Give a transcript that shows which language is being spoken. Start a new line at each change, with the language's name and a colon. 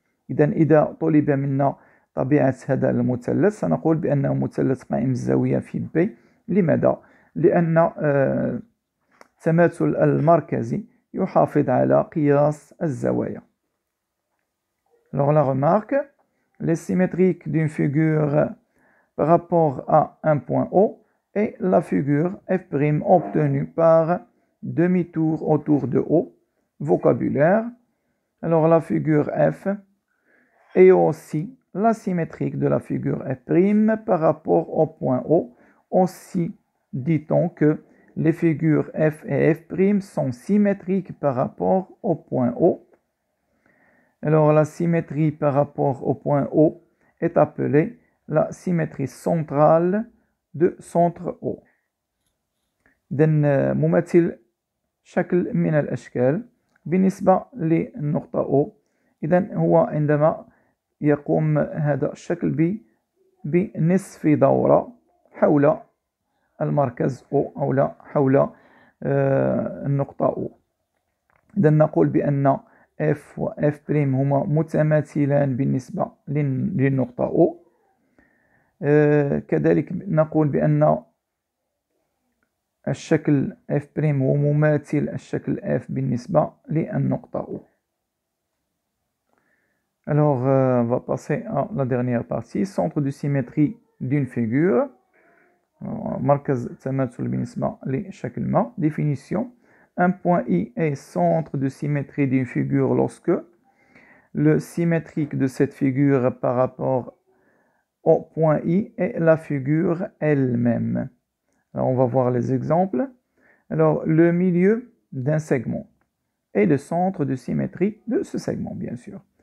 Arabic: إذن إذا طلب منا طبيعة هذا المثلث سنقول بأنه مثلث قائم الزاوية في B. لماذا؟ لأن التماثل المركزي يحافظ على قياس الزوايا.
French: Alors la remarque, les symétriques d'une figure par rapport à un point O et la figure F' obtenue par demi-tour autour de O. Vocabulaire, alors la figure F est aussi la symétrique de la figure F' par rapport au point O. Aussi dit-on que les figures F et F' sont symétriques par rapport au point O. Alors la symétrie par rapport au point O est appelée la symétrie centrale de centre O.
Arabic: دن ممثل شكل من الأشكال بالنسبة لنقطة O. إذن هو عندما يقوم هذا الشكل بنصف دورة حول المركز O أو لا حول النقطة O. إذن نقول بأن F و F' هما متماثلان بالنسبة للنقطة O. كذلك نقول بأن الشكل F' هو مماثل الشكل F بالنسبة للنقطة O.
French: Alors, on va passer à la dernière partie. Centre de symétrie d'une figure.
Arabic: مركز تماثل بالنسبة لشكل ما.
French: Définition. Un point I est centre de symétrie d'une figure lorsque le symétrique de cette figure par rapport au point I est la figure elle-même. Alors, on va voir les exemples. Alors, le milieu d'un segment est le centre de symétrie de ce segment, bien sûr.